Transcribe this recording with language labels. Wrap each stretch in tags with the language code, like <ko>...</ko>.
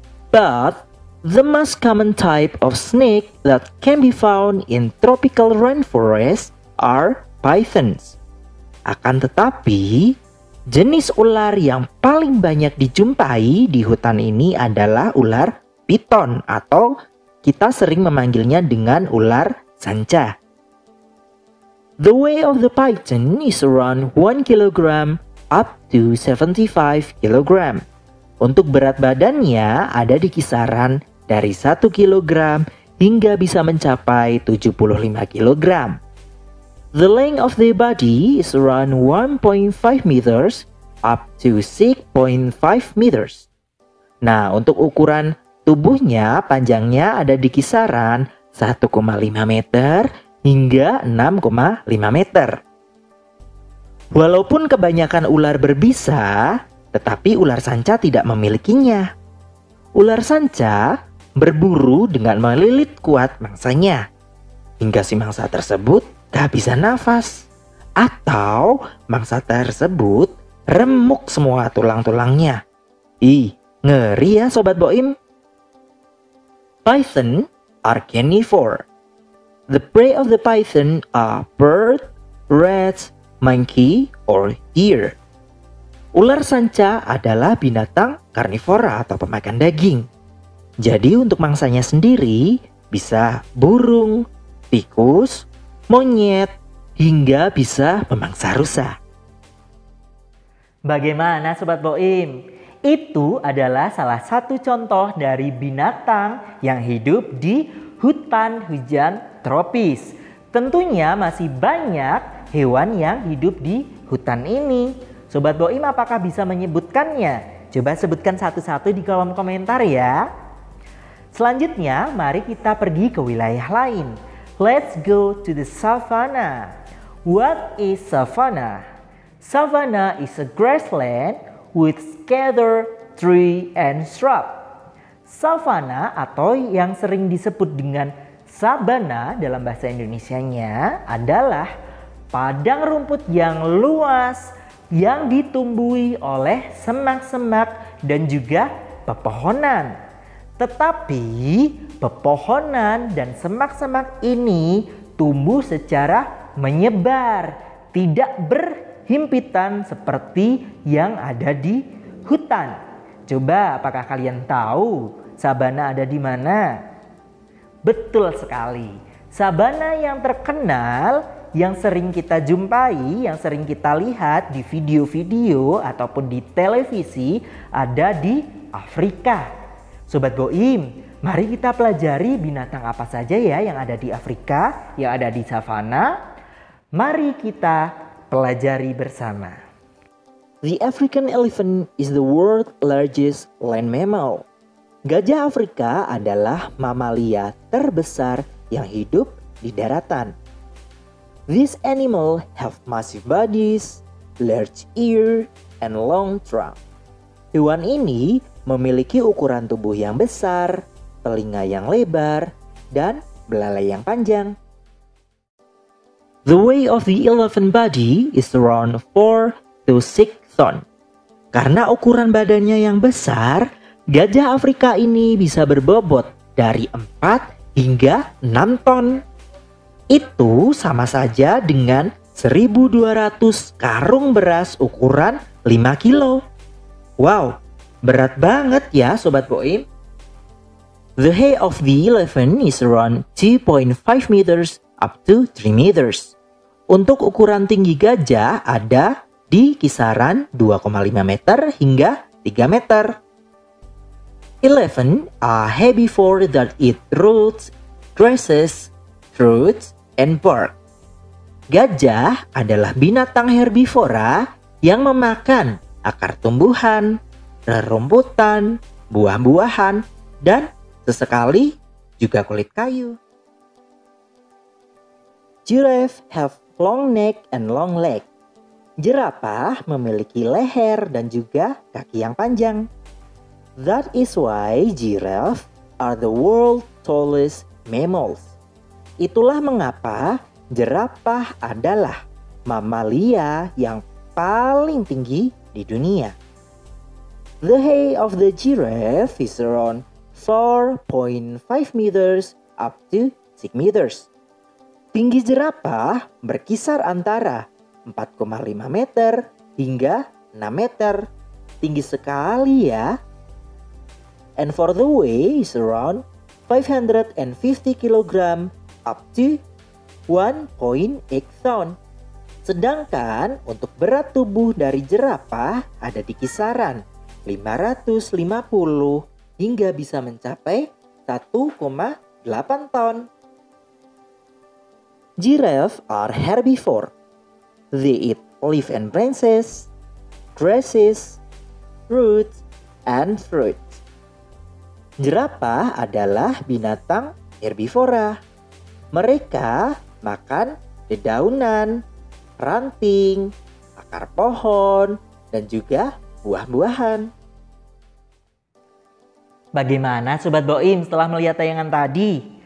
<en>But the most common type of snake that can be found in tropical rainforest are pythons.</en> <id>Akan tetapi, jenis ular yang paling banyak dijumpai di hutan ini adalah ular piton atau kita sering memanggilnya dengan ular sanca.</id> <en>The weight of the python is around 1 kg up to 75 kg.</en> <id>Untuk berat badannya ada di kisaran dari 1 kg hingga bisa mencapai 75 kg.</id> <en>The length of the body is around 1.5 meters up to 6.5 meters.</en> <id>Nah, untuk ukuran tubuhnya panjangnya ada di kisaran 1,5 meter hingga 6,5 meter. Walaupun kebanyakan ular berbisa, tetapi ular sanca tidak memilikinya. Ular sanca berburu dengan melilit kuat mangsanya, hingga si mangsa tersebut kehabisan nafas, atau mangsa tersebut remuk semua tulang-tulangnya. Ih, ngeri ya Sobat Boim.</id> <en>Python are carnivore. The prey of the python are bird, rats, monkey, or deer.</en> <id>Ular sanca adalah binatang karnivora atau pemakan daging. Jadi untuk mangsanya sendiri bisa burung, tikus, monyet, hingga bisa memangsa rusa. Bagaimana Sobat Boim? Itu adalah salah satu contoh dari binatang yang hidup di hutan hujan tropis. Tentunya masih banyak hewan yang hidup di hutan ini. Sobat Boim, apakah bisa menyebutkannya? Coba sebutkan satu-satu di kolom komentar ya. Selanjutnya, mari kita pergi ke wilayah lain.</id> <en>Let's go to the savanna. What is savanna? Savanna is a grassland with scattered tree and shrub.</en> <id>Savanna atau yang sering disebut dengan sabana dalam bahasa Indonesianya adalah padang rumput yang luas yang ditumbuhi oleh semak-semak dan juga pepohonan. Tetapi pepohonan dan semak-semak ini tumbuh secara menyebar, tidak berhimpitan seperti yang ada di hutan. Coba apakah kalian tahu sabana ada di mana? Betul sekali. Sabana yang terkenal, yang sering kita jumpai, yang sering kita lihat di video-video ataupun di televisi ada di Afrika. Sobat Boim, mari kita pelajari binatang apa saja ya yang ada di Afrika, yang ada di savana. Mari kita pelajari bersama.</id> <en>The African elephant is the world's largest land mammal.</en> <id>Gajah Afrika adalah mamalia terbesar yang hidup di daratan.</id> <en>This animal have massive bodies, large ear, and long trunk.</en> <id>Hewan ini memiliki ukuran tubuh yang besar, telinga yang lebar, dan belalai yang panjang.</id> <en>The weight of the elephant body is around 4 to 6 tons.</en> <id>Karena ukuran badannya yang besar, Gajah Afrika ini bisa berbobot dari 4 hingga 6 ton. Itu sama saja dengan 1.200 karung beras ukuran 5 kilo. Wow, berat banget ya Sobat Boim.</id> <en>The head of the elephant is around 2.5 meters up to 3 meters.</en> <id>Untuk ukuran tinggi gajah ada di kisaran 2,5 meter hingga 3 meter.</id> <en>Elephant are herbivore that eat roots, grasses, fruits, and bark.</en> <id>Gajah adalah binatang herbivora yang memakan akar tumbuhan, rerumputan, buah-buahan, dan sesekali juga kulit kayu.</id> <en>Giraffe have long neck and long leg.</en> <id>Jerapah memiliki leher dan juga kaki yang panjang.</id> <en>That is why giraffes are the world's tallest mammals.</en> <id>Itulah mengapa jerapah adalah mamalia yang paling tinggi di dunia.</id> <en>The head of the giraffe is around 4.5 meters up to 6 meters.</en> <id>Tinggi jerapah berkisar antara 4,5 meter hingga 6 meter. Tinggi sekali ya.</id> <en>And for the weight is around 550 kilogram up to 1.8 ton.</en> <id>Sedangkan untuk berat tubuh dari jerapah ada di kisaran 550 hingga bisa mencapai 1,8 ton.</id> <en>Giraffes are herbivore. They eat leaves and branches, grasses, roots, and fruit.</en> <id>Jerapah adalah binatang herbivora. Mereka makan dedaunan, ranting, akar pohon, dan juga buah-buahan. Bagaimana Sobat Boim setelah melihat tayangan tadi?</id>